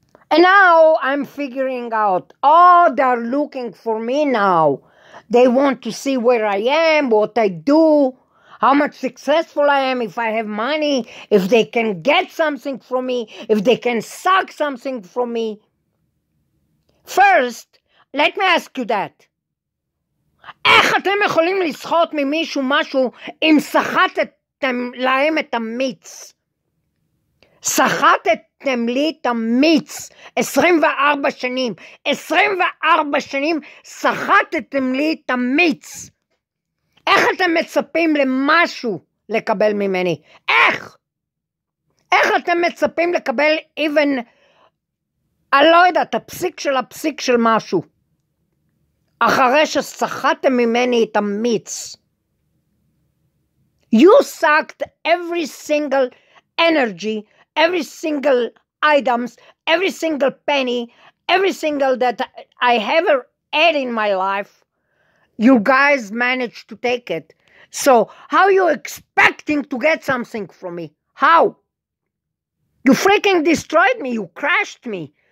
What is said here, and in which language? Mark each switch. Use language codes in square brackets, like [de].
[en] And now I'm figuring out, oh, they're looking for me now. They want to see where I am, what I do, how much successful I am, if I have money, if they can get something from me, if they can suck something from me. First, let me ask you that. [he] איך אתם יכולים לסחוט ממישהו משהו אם סחטתם להם את המיץ? סחטתם לי את המיץ 24 שנים. 24 שנים סחטתם לי את המיץ. איך אתם מצפים למשהו לקבל ממני? איך? איך אתם מצפים לקבל even, אני לא יודעת, הפסיק של משהו, אחרי שסחטתם ממני את המיץ? [en] You sucked every single energy, every single items, every single penny, every single that I ever had in my life. You guys managed to take it. So how are you expecting to get something from me? How? You freaking destroyed me. You crashed me